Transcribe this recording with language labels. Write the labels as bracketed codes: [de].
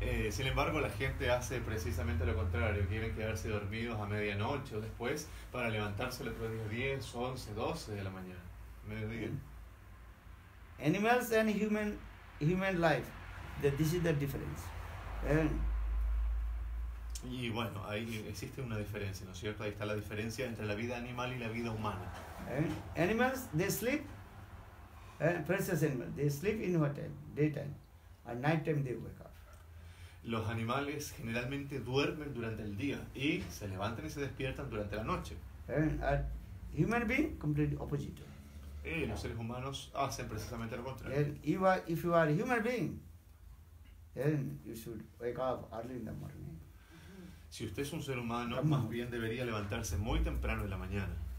[es] Sin embargo, la gente hace precisamente lo contrario. Quieren quedarse dormidos a medianoche o después para levantarse el otro día 10, 11, 12 de la mañana. Mediodía. [en] Animals and human life, this is the difference. [es] Y bueno, ahí existe una diferencia, ¿no es cierto? Ahí está la diferencia entre la vida animal y la vida humana. [en] Animals, they sleep. Precious animals, they sleep in what time? Daytime. At night time they wake up. [es] Los animales generalmente duermen durante el día y se levantan y se despiertan durante la noche. [en] Human being completely opposite. [es] Los seres humanos hacen precisamente lo contrario. [en] If you are a human being, then you should wake up early in the morning. [es] Si usted es un ser humano, más bien debería levantarse muy temprano en la mañana.